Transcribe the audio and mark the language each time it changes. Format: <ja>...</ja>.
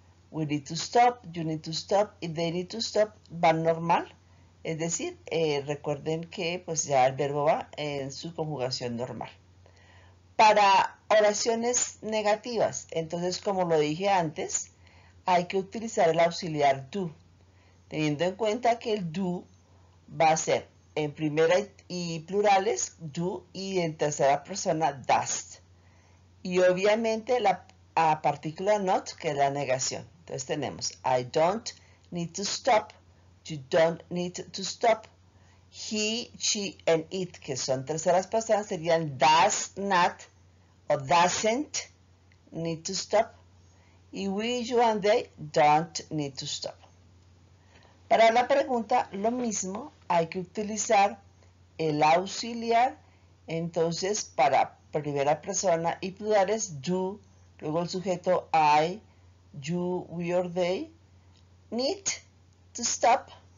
<en>We need to stop, you need to stop, y they need to stop,</en> <es>va normal. Es decir, recuerden que pues ya el verbo va en su conjugación normal. Para oraciones negativas, entonces como lo dije antes, hay que utilizar el auxiliar do, teniendo en cuenta que el do va a ser en primera y plurales, do, y en tercera persona, does. Y obviamente la partícula not, que es la negación. Entonces tenemos,</es> <en>I don't need to stop,</en> <es>you don't need to stop, he, she, and it, que son terceras personas, serían</es> <en>does not o doesn't need to stop,</en> <es>y</es> <en>we, you, and they don't need to stop.</en> <es>Para la pregunta, lo mismo, hay que utilizar el auxiliar, entonces para primera persona y plurales, do, luego el sujeto, I.</es> <en>You, we, or they need to stop.</en>